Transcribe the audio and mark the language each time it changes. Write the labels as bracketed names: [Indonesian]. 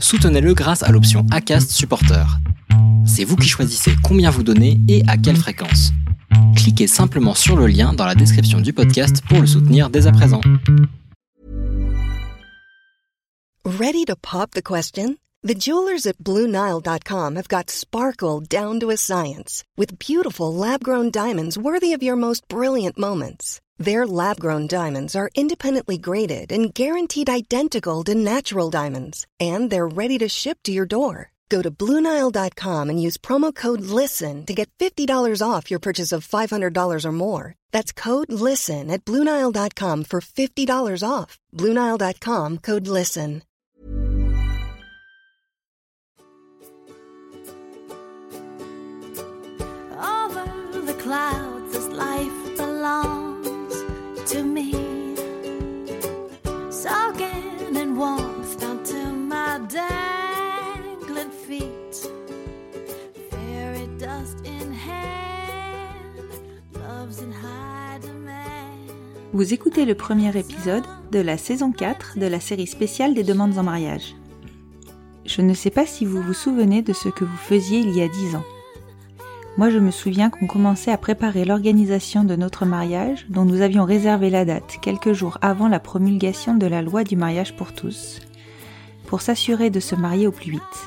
[French] Soutenez-le grâce à l'option Acast Supporter. C'est vous qui choisissez combien vous donnez et à quelle fréquence. Cliquez simplement sur le lien dans la description du podcast pour le soutenir dès à présent. [English] Ready to pop the question? The jewelers at BlueNile.com have got sparkle down to a science with beautiful lab-grown diamonds worthy of your most brilliant moments. Their lab-grown diamonds are independently graded and guaranteed identical to natural diamonds, and they're ready to ship to your door. Go to BlueNile.com and use promo code LISTEN to get $50 off your purchase of $500 or more. That's code LISTEN at BlueNile.com for $50 off. BlueNile.com, code LISTEN. Over the clouds as life belongs to me. Soaking in warmth down to my dangling feet. Fairy dust in hand, love's in high demand. [French] Vous écoutez le premier épisode de la saison 4 de la série spéciale des demandes en mariage. Je ne sais pas si vous vous souvenez de ce que vous faisiez il y a 10 ans. Moi, je me souviens qu'on commençait à préparer l'organisation de notre mariage, dont nous avions réservé la date quelques jours avant la promulgation de la loi du mariage pour tous, pour s'assurer de se marier au plus vite.